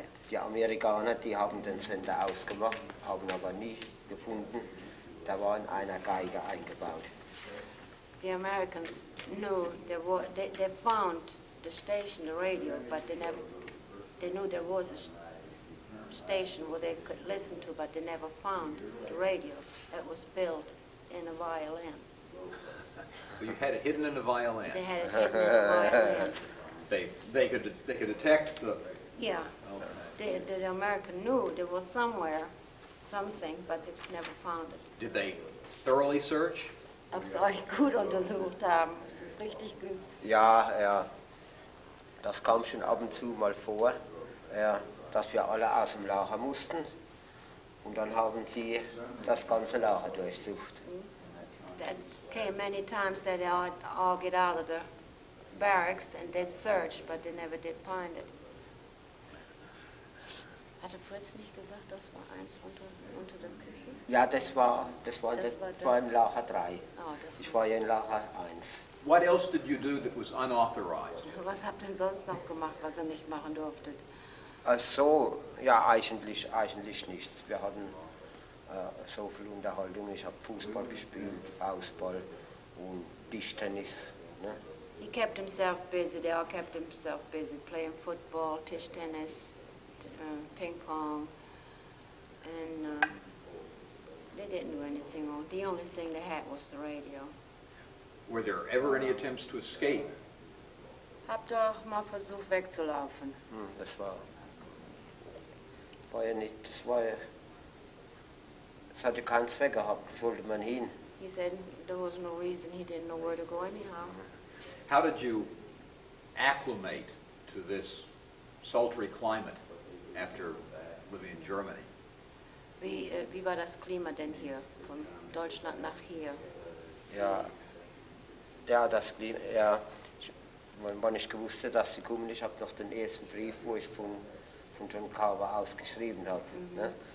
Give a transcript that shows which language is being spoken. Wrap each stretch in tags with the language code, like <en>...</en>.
<de>Die Amerikaner, die haben den Sender ausgemacht, haben aber nie gefunden. Da war in einer Geige eingebaut.</de> <en>The Americans knew there was, they found the station, the radio, but they never, they knew there was a station where they could listen to, but they never found the radio that was built in a violin. So you had it hidden in a violin? They had it hidden in the violin. They could detect the... Yeah. Okay. The American knew there was somewhere, something, but they never found it. Did they thoroughly search?</en> <de>Ob sie euch gut untersucht haben, ist es richtig gut? Ja, das kam schon ab und zu mal vor, dass wir alle aus dem Lager mussten. Und dann haben sie das ganze Lager durchsucht.</de> <en>That came many times that they all get out of the barracks and they searched, but they never did find it.</en> <de>Hat er vorhin nicht gesagt, das war eins unter der Küche? Ja, das war in Lager 3. Oh, das ich war ja in Lager 1.</de> <en>What else did you do that was unauthorized?</en> <de>Was habt ihr sonst noch gemacht, was ihr nicht machen durftet? So, ja, eigentlich nichts. Wir hatten so viel Unterhaltung. Ich habe Fußball gespielt, Faustball und Tischtennis. Ne?</de> <en>He kept himself busy. They all kept himself busy playing football, Tischtennis. Ping pong, and they didn't do anything wrong. The only thing they had was the radio. Were there ever any attempts to escape?</en> <de>Habt ihr auch mal versucht wegzulaufen? Das war ja nicht, das war ja, es hatte keinen Zweck gehabt, sollte man hin.</de> <en>He said there was no reason, he didn't know where to go anyhow. How did you acclimate to this sultry climate? After living in Germany.</en> <de>Wie war das Klima denn hier, von Deutschland nach hier? Ja, das Klima, ja. Wenn ich gewusst hätte, dass sie kommen, ich habe noch den ersten Brief, wo ich von Tonkawa ausgeschrieben habe, ne?</de>